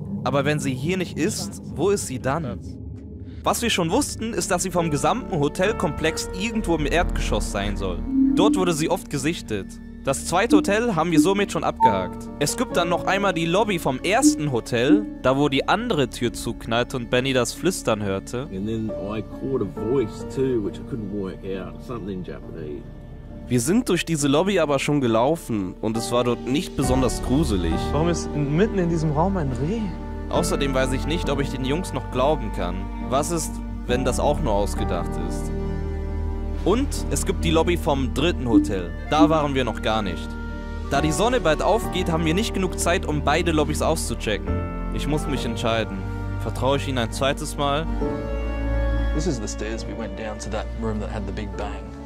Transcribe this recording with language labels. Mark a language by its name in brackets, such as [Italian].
[German] Aber wenn sie hier nicht ist, wo ist sie dann? Was wir schon wussten, ist, dass sie vom gesamten Hotelkomplex irgendwo im Erdgeschoss sein soll. Dort wurde sie oft gesichtet. Das zweite Hotel haben wir somit schon abgehakt. Es gibt dann noch einmal die Lobby vom ersten Hotel, da wo die andere Tür zuknallte und Benny das Flüstern hörte. [English] And then I caught a voice too, which I couldn't work out. Something in Japanese. [German] Wir sind durch diese Lobby aber schon gelaufen und es war dort nicht besonders gruselig. Warum ist mitten in diesem Raum ein Reh? Außerdem weiß ich nicht, ob ich den Jungs noch glauben kann. Was ist, wenn das auch nur ausgedacht ist? Und es gibt die Lobby vom dritten Hotel. Da waren wir noch gar nicht. Da die Sonne bald aufgeht, haben wir nicht genug Zeit, um beide Lobbys auszuchecken. Ich muss mich entscheiden. Vertraue ich ihnen ein zweites Mal? [English] This is the stairs we went down to that room that had the big bang.